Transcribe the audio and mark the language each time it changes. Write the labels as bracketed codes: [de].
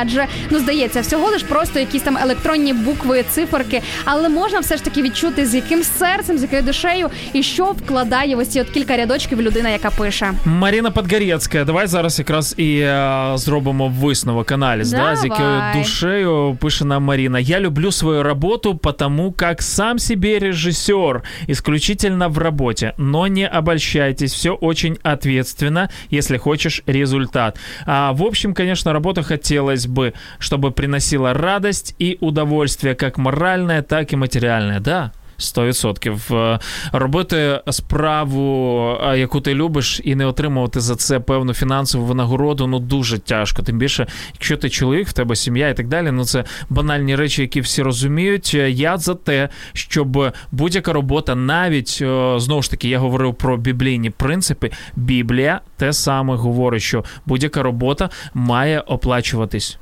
[uk] Адже, ну, здається, всього лиш просто якісь там електронні букви, циферки, але можна все ж таки відчути, з яким серцем, з якою душею і що вкладає ось ці от кілька рядочків людина, яка пише. Марина Подгорєцька, давай зараз якраз і зробимо висновок, аналіз, да, з якою душею пише нам Марина. [ru] Я люблю свою роботу, потому как сам себе режиссер, исключительно в роботе, но не обольщайтесь, все очень ответственно, если хочешь результат. А в общем, конечно, работа хотелось бы, чтобы приносила радость и удовольствие, как моральное, так и материальное, да? 100%. [uk] Робити справу, яку ти любиш, і не отримувати за це певну фінансову винагороду, ну, дуже тяжко. Тим більше, якщо ти чоловік, в тебе сім'я і так далі, ну, це банальні речі, які всі розуміють. Я за те, щоб будь-яка робота, навіть, знову ж таки, я говорив про біблійні принципи, Біблія те саме говорить, що будь-яка робота має оплачуватись.